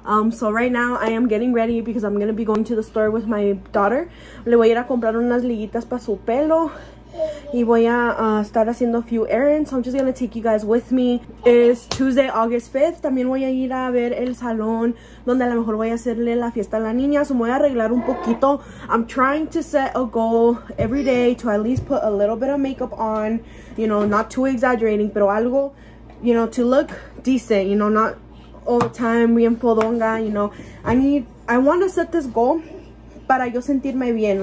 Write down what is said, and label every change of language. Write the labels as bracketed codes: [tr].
[en] So right now I am getting ready because I'm gonna be going to the store with my daughter. [es] Le voy a ir a comprar unas liguitas para su pelo y voy a estar haciendo a few errands. [en] So I'm just gonna take you guys with me. It's Tuesday, August 5th. [es] También voy a ir a ver el salón donde a lo mejor voy a hacerle la fiesta a la niña. So me voy a arreglar un poquito. [en] I'm trying to set a goal every day to at least put a little bit of makeup on, you know, not too exaggerating, pero algo, you know, to look decent, you know, not all the time bien podonga, you know. I want to set this goal para yo sentirme bien.